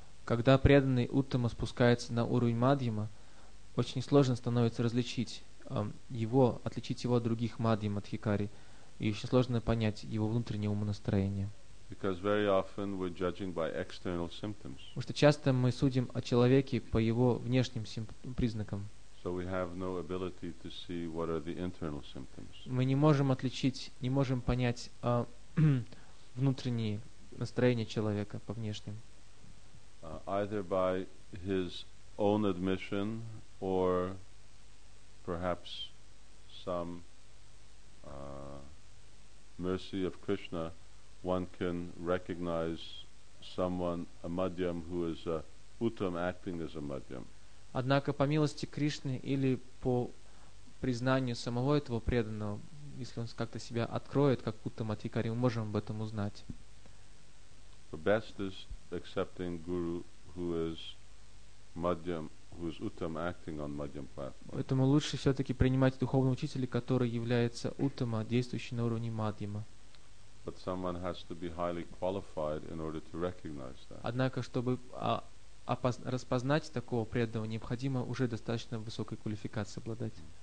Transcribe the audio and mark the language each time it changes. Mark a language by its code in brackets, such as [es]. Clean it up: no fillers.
[ru] Когда преданный Уттама спускается на уровень Мадхьяма, очень сложно становится различить его, отличить его от других Мадхьяма Дхикари, и очень сложно понять его внутреннее умонастроение. [en] Because very often we're judging by external symptoms. [ru] Потому что часто мы судим о человеке по его внешним признакам. [en] So we have no ability to see what are the internal symptoms. [ru] Мы не можем отличить, не можем понять внутренние настроения человека по внешним. [en] Either by his own admission or perhaps some mercy of Krishna. One can recognize someone, a madhyam, who is a uttam, acting as a madhyam. [ru] Однако по милости Кришны или по признанию самого этого преданного, если он как-то себя откроет как уттам адхикари, мы можем об этом узнать. [en] The best is accepting guru who is madhyam, who is uttam, acting on madhyam platform. [ru] Поэтому лучше все-таки принимать духовного учителя, который является уттама, действующий на уровне мадхьяма. [en] But someone has to be highly qualified in order to recognize that. [ru] Однако, чтобы распознать такого преданного, необходимо уже достаточно высокой квалификацией обладать.